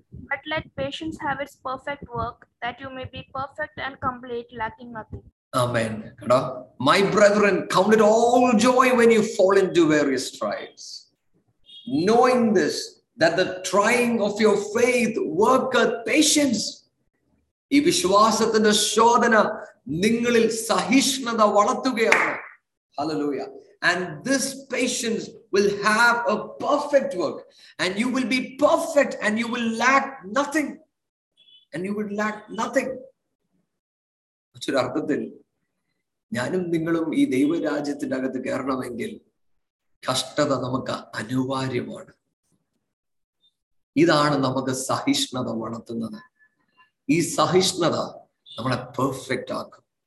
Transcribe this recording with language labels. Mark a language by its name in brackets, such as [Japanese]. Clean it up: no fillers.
[English] But let patience have its perfect work, that you may be perfect and complete, lacking nothing. Amen. My brethren, count it all joy when you fall into various trials, knowing this, that the trying of your faith worketh patience. [Malayalam] ഈ വിശ്വാസത്തിന്റെ ശോധന നിങ്ങളിൽ സഹിഷ്ണുത വളർത്തുകയാണ്. [English] Hallelujah. And this patience will have a perfect work, and you will be perfect, and you will lack nothing, and you will lack nothing. [Malayalam] ഒരു അർത്ഥത്തിൽ ഞാനും നിങ്ങളും ഈ ദൈവരാജ്യത്തിന്റെ അകത്ത് കയറണമെങ്കിൽ കഷ്ടത നമുക്ക് അനിവാര്യമാണ്. ഇതാണ് നമുക്ക് സഹിഷ്ണുത വളർത്തുന്നത്. ഈ സഹിഷ്ണുത നമ്മളെ പെർഫെക്റ്റ് ആക്കും.